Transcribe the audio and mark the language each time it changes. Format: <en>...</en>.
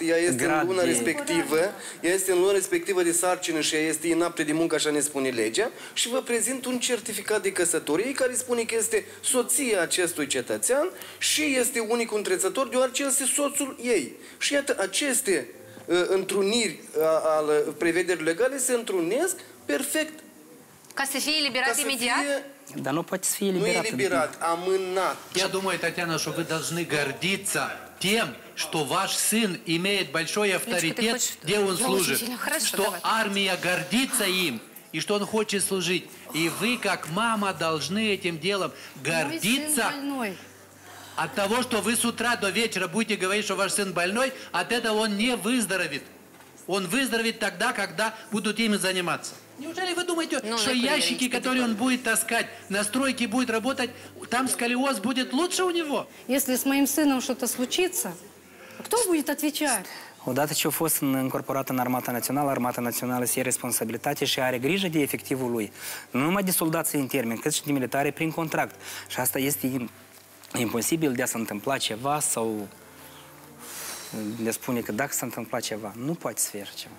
<ro>Ea este în luna respectivă, ea este în luna respectivă de sarcină și ea este inaptă de muncă, așa ne spune legea, și vă prezint un certificat de căsătorie care spune că este soția acestui cetățean și este unic întrețător, deoarece este soțul ei. Și iată, aceste întruniri al prevederilor legale se întrunesc perfect. Ca să fie eliberat imediat? Dar nu poate să fie eliberat. Nu e eliberat, amânat.</ro> <ru>Я думаю, Татьяна, что вы должны гордиться тем, что ваш сын имеет большой авторитет, где он служит, что армия гордится им, и что он хочет служить. И вы, как мама, должны этим делом гордиться. От того, что вы с утра до вечера будете говорить, что ваш сын больной, от этого он не выздоровит. Он выздоровит тогда, когда будут ими заниматься. Неужели вы думаете, что ящики, которые он будет таскать, на стройке будет работать, там сколиоз будет лучше у него? Если с моим сыном что-то случится, кто будет отвечать?</ru> <ro>Odată ce a fost încorporat în Armata Națională, Armata Națională se ia responsabilitate și are grijă de efectivul lui. Nu numai de soldații în termen, cât și de militare prin contract. Și asta este imposibil de a se întâmpla ceva sau... Le spune că dacă se întâmplă ceva, nu poate să fie așa ceva.</ro>